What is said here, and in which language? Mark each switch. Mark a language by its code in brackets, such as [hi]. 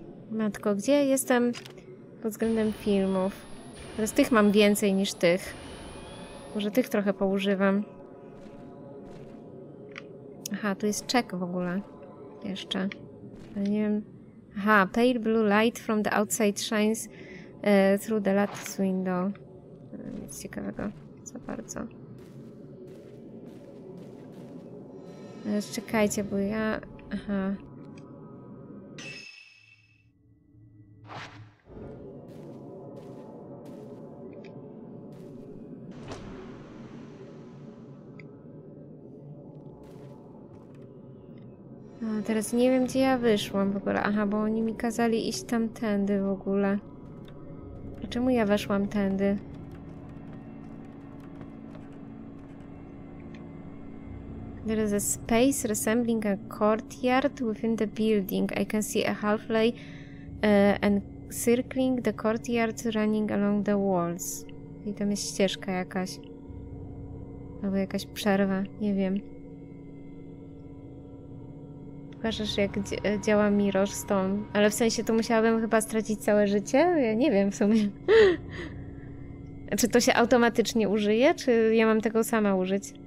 [pl] Matko, gdzie jestem pod względem filmów? Teraz tych mam więcej niż tych. Może tych trochę poużywam. Aha, tu jest check w ogóle. Jeszcze. Ale nie wiem. [en] Aha, pale blue light from the outside shines through the lattice window. [pl] Nic ciekawego. Za bardzo. Czekajcie, bo ja... Aha. Teraz nie wiem, gdzie ja wyszłam w ogóle. Aha, bo oni mi kazali iść tamtędy w ogóle. A czemu ja weszłam tędy? [en] There is a space resembling a courtyard within the building. I can see a hallway encircling the courtyard running along the walls. [pl] I tam jest ścieżka jakaś. Albo jakaś przerwa, nie wiem. Pokażesz, jak działa Mirror Stone. Ale w sensie to musiałabym chyba stracić całe życie? Ja nie wiem w sumie. Czy to się automatycznie użyje, czy ja mam tego sama użyć?